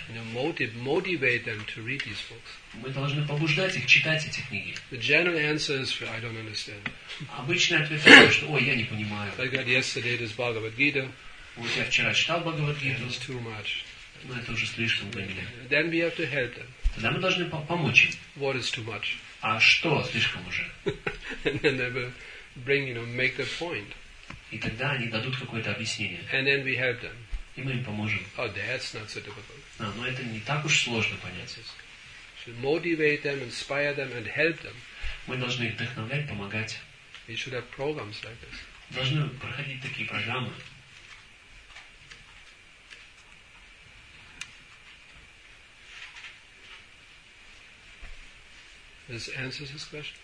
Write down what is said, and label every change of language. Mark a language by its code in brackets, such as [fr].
[en] You know, motivate them to read these books. [ru] Мы должны побуждать их читать эти книги. [en] The general answer is, I don't understand. [ru] Обычный ответ такой, что, ой, я не понимаю. [en] I got yesterday this Bhagavad Gita. [ru] Вот я вчера читал Бхагавад Гиту. [en] It's too much. [ru] Но это уже слишком для меня. [en] Then we have to help them. [ru] Тогда мы должны помочь им. [en] What is too much? [ru] А что слишком уже? [en] And then they will bring, you know, make their point. [ru] И тогда они дадут какое-то объяснение. [en] And then we help them. [ru] И мы им поможем. [en] Oh, that's not so difficult. [ru] А, но это не так уж сложно понять. [en] Should motivate them, inspire them, and help them. [ru] Мы должны их вдохновлять, помогать. [en] We should have programs like this. [ru] Должны проходить такие программы. [en] This answers his question.